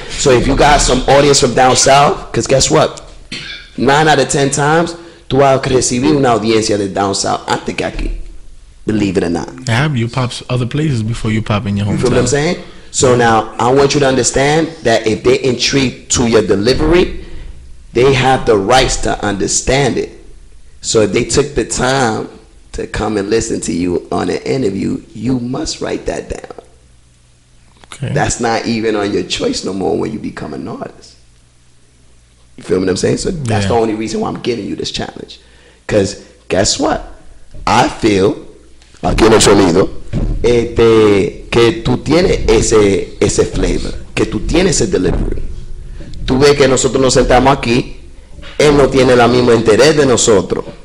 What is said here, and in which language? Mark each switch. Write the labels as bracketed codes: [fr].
[en] So if you got some audience from down south, because guess what? 9 out of 10 times, [es] tú vas a recibir una audiencia de [en] down south [es] antes que aquí. [en] Believe it or not. Yeah, you pop other places before you pop in your hometown. You feel what I'm saying? So now, I want you to understand that if they intrigued to your delivery, they have the rights to understand it. So if they took the time to come and listen to you on an interview, you must write that down. Okay. That's not even on your choice no more when you become an artist. You feel what I'm saying? So that's yeah. the only reason why I'm giving you this challenge. Because guess what? I feel, [es] aquí en el sonido, que tú tienes ese [en] flavor, [es] que tú tienes ese [en] delivery. [es] Tú ves que nosotros nos sentamos aquí, él no tiene el mismo interés de nosotros.